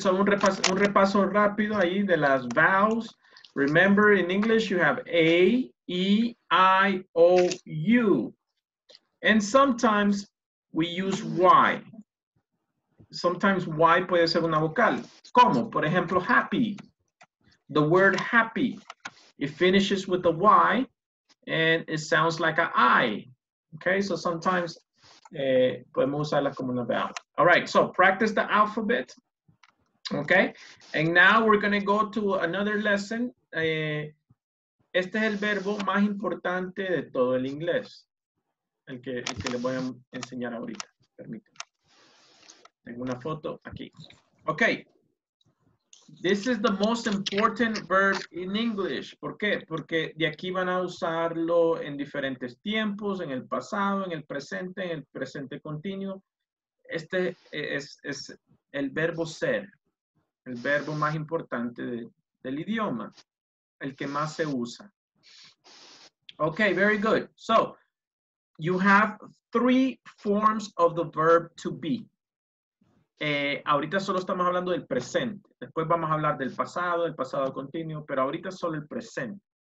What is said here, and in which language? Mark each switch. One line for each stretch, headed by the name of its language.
Spanish: So, un repaso rápido ahí de las vowels.
English: Remember, in English, you have A, E, I, O, U. And sometimes we use Y.
Spanish: Sometimes Y puede ser una vocal. ¿Cómo? Por ejemplo, happy.
English: The word happy. It finishes with a Y and it sounds like a I. Okay, so sometimes
Spanish: podemos usarla como una vowel.
English: All right, so practice the alphabet. Okay, and now we're going to go to another lesson.
Spanish: Este es el verbo más importante de todo el inglés. El que le voy a enseñar ahorita. Permítanme. Tengo una foto aquí. Okay.
English: This is the most important verb in English.
Spanish: ¿Por qué? Porque de aquí van a usarlo en diferentes tiempos, en el pasado, en el presente continuo. Este es el verbo ser. El verbo más importante del idioma. El que más se usa.
English: Okay, very good. So, you have three forms of the verb to be.
Spanish: Ahorita solo estamos hablando del presente. Después vamos a hablar del pasado continuo, pero ahorita solo el presente.